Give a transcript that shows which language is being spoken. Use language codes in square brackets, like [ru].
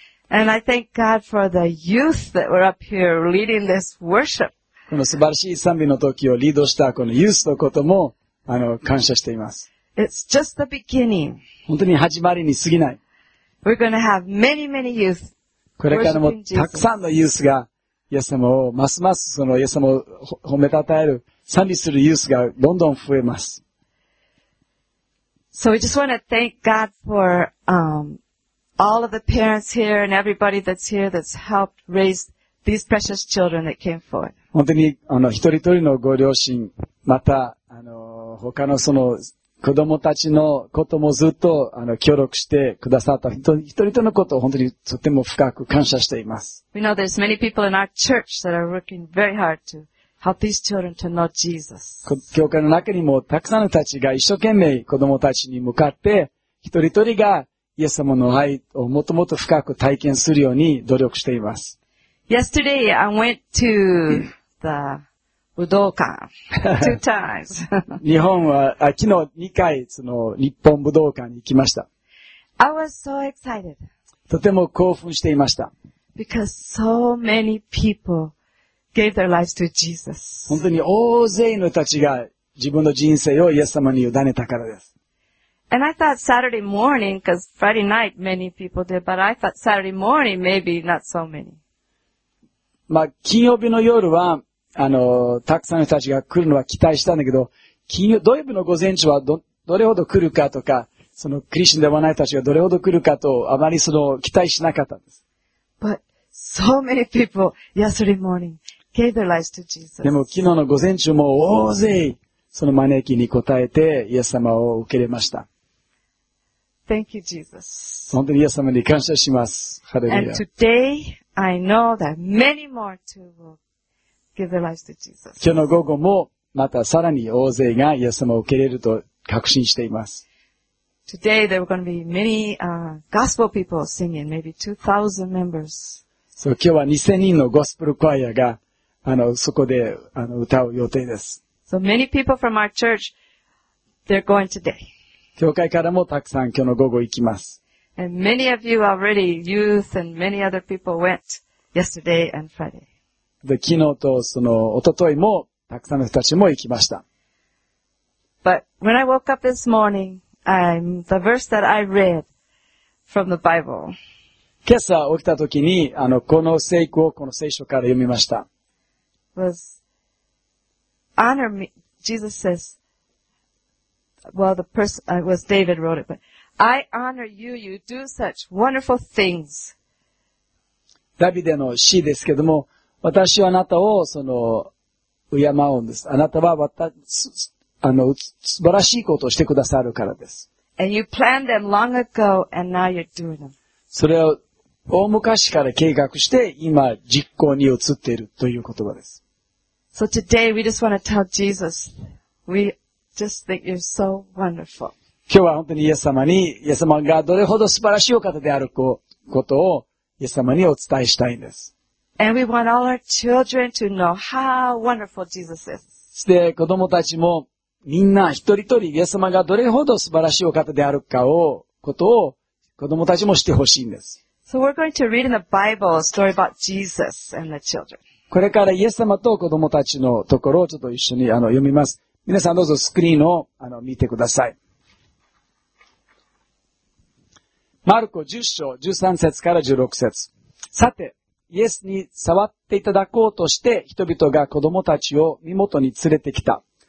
[en] And I thank God for the youth that were up here leading this worship. [ja] この素晴らしい賛美の時をリードしたこのユースのことも感謝しています。 [en] It's just the beginning. [ja] 本当に始まりに過ぎない。 [en] We're gonna have many, many youth worshiping Jesus. [ja] これからもたくさんのユースが、イエス様をますますそのイエス様を褒めたたえる、賛美するユースがどんどん増えます。 [en] So we just want to thank God for, all of the parents here and everybody that's here that's helped raise these precious children that came forward. [ja] 本当に一人一人のご両親、また他のその子供たちのこともずっと協力してくださった人、一人一人のことを本当にとても深く感謝しています。 [en] We know there's many people in our church that are working very hard to help these children to know Jesus. [ja] 教会の中にもたくさんの人たちが一生懸命子供たちに向かって、一人一人がイエス様の愛をもっともっと深く体験するように努力しています。 [en] Yesterday I went to the Budokan two times. [ja] 日本は昨日2回その日本武道館に行きました。 [en] I was so excited. [ja] とても興奮していました。 [en] Because so many people gave their lives to Jesus. [ja] 本当に大勢の人たちが自分の人生をイエス様に委ねたからです。 [en] And I thought Saturday morning, because Friday night many people did, but I thought Saturday morning maybe not so many. [ja] まあ、金曜日の夜は、たくさんの人たちが来るのは期待したんだけど、土曜日の午前中はどれほど来るかとか、そのクリスチャンではない人たちがどれほど来るかと、あまりその期待しなかったんです。 [en] But so many people yesterday morning gave their lives to Jesus. [ja] でも昨日の午前中も大勢、その招きに応えて、イエス様を受け入れました。 [en] Thank you, Jesus. [ja] 本当にイエス様に感謝します。ハレルヤ。 [en] And today,I know that many more too will give their lives to Jesus. [ja] 今日の午後もまたさらに大勢がイエス様を受け入れると確信しています。 [en] Today there are going to be many, gospel people singing, maybe 2,000 members. [ja] そう、今日は2000人のゴスペルクワイアが、そこで、歌う予定です。 [en] So many people from our church, they're going today. [ja] 教会からもたくさん今日の午後行きます。 [en] And many of you already, youth and many other people went yesterday and Friday. [ja] で、昨日とその一昨日もたくさんの人たちも行きました。 [en] But when I woke up this morning, the verse that I read from the Bible. [ja] 今朝起きた時にこの聖句をこの聖書から読みました。 [en] Was honor me, Jesus says. Well, the person was David wrote it, but. I honor you, you do such wonderful things. [ja] ダビデの詩ですけども、私はあなたをその、敬うんです。あなたは私、あの、素晴らしいことをしてくださるからです。 [en] And you planned them long ago, and now you're doing them. [ja] それを大昔から計画して、今実行に移っているという言葉です。 [en] So today we just want to tell Jesus, we just think you're so wonderful. [ja] 今日は本当にイエス様に、イエス様がどれほど素晴らしいお方であることをイエス様にお伝えしたいんです。 [en] And we want all our children to know how wonderful Jesus is. [ja] そして子供たちもみんな一人一人イエス様がどれほど素晴らしいお方であるかをことを子供たちも知ってほしいんです。 [en] So we're going to read in the Bible a story about Jesus and the children. [ja] これからイエス様と子供たちのところをちょっと一緒に読みます。皆さんどうぞスクリーンを見てください。マルコ10章13節から16節。さて、イエスに触っていただこうとして人々が子供たちを身元に連れてきた。